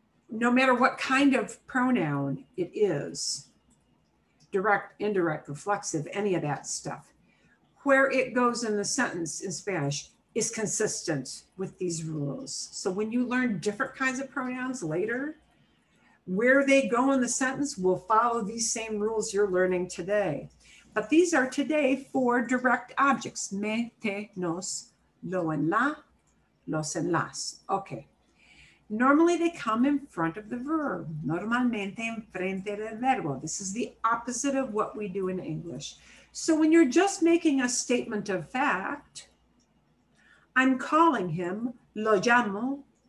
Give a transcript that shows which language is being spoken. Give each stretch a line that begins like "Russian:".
English: No matter what kind of pronoun it is, direct, indirect, reflexive, any of that stuff, where it goes in the sentence in Spanish is consistent with these rules. So when you learn different kinds of pronouns later, where they go in the sentence will follow these same rules you're learning today. But these are today for direct objects.
Spanish: Me, te, nos, lo en la, los en las.
English: Okay. Normally they come in front of the verb.
Spanish: Normalmente en frente del verbo.
English: This is the opposite of what we do in English. So when you're just making a statement of fact, I'm calling him,
Spanish: lo llamo.